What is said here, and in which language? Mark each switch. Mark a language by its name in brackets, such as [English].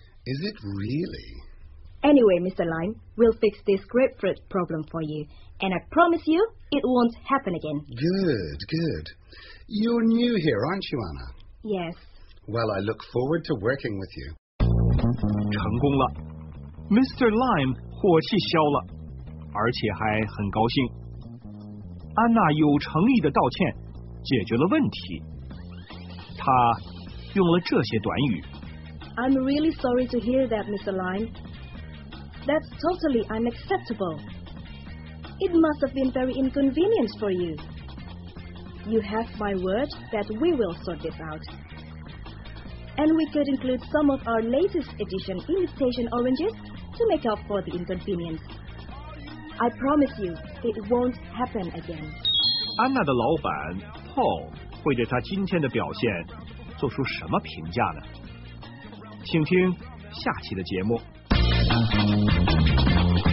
[English] Is it really? Anyway, Mr. Lime, we'll fix this grapefruit problem for you. And I promise you, it won't happen again. Good, good. You're new here, aren't you, Anna? Yes. Well, I look forward to working with you. [Chinese] 成功了。Mr. Lime 火气消了，而且还很高兴。安娜有诚意的道歉，解决了问题。她用了这些短语。 [English] I'm really sorry to hear that, Mr. Lime. That's totally unacceptable. It must have been very inconvenient for you. You have my word that we will sort this out. And we could include some of our latest edition imitation oranges to make up for the inconvenience. I promise you, it won't happen again. [Chinese] Anna 的老板 Paul 会对他今天的表现做出什么评价呢？请听下期的节目。